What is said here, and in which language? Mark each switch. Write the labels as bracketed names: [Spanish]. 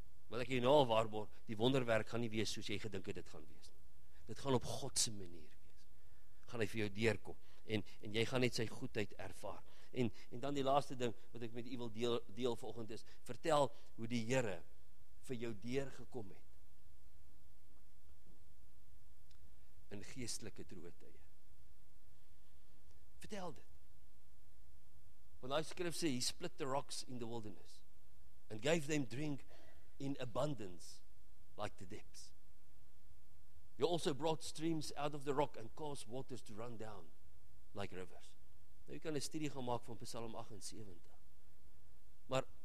[Afrikaans] wat ek jy nou al waarborg, die wonderwerk gaan nie wees, soos jy gedink het, dit gaan wees, dit gaan op Godse manier wees, gaan hy vir jou deurkom, en jy gaan net sy goedheid ervaar, En dan die laaste ding wat ek met u wil deel vanoggend is, vertel hoe die Here vir jou deur gekom het in geestelike droogtye. Vertel dit. Want hy skrif sê, [English] he split the rocks in the wilderness and gave them drink in abundance like the depths. He also brought streams out of the rock and caused waters to run down like rivers. [Afrikaans] Nou, jy kan een studie gaan maak van Psalm 78.